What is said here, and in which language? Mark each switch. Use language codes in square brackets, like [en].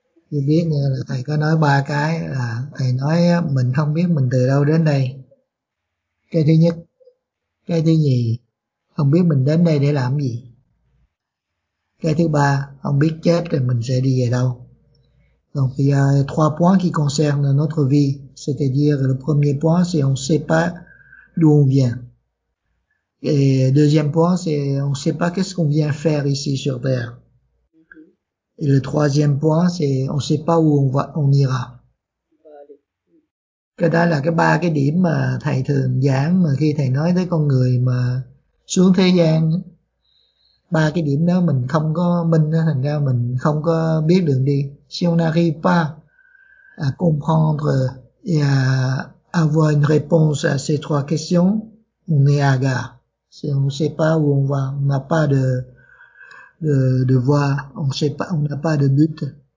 [vi] Chưa biết nha, là thầy có nói ba cái là thầy nói mình không biết mình từ đâu đến đây. Cái thứ nhất. Cái thứ nhì, không biết mình đến đây để làm gì. Cái thứ ba, không biết chết rồi mình sẽ đi về đâu. [fr] Donc il y a trois points qui concernent notre vie, c'est-à-dire le premier point c'est on ne sait pas d'où on vient. Et deuxième point c'est on ne sait pas qu'est-ce qu'on vient faire ici sur Terre. Et le troisième point c'est on ne sait pas où on ira. [vi] Cái đó là cái ba cái điểm mà thầy thường giảng mà khi thầy nói tới con người mà xuống thế gian, ba cái điểm đó mình không có minh, thành ra mình không có biết đường đi. [fr] Si on n'arrive pas à comprendre et à avoir une réponse à ces trois questions, on est hagard. Si on ne sait pas où on va, on n'a pas de voie, on sait pas, on n'a pas de but.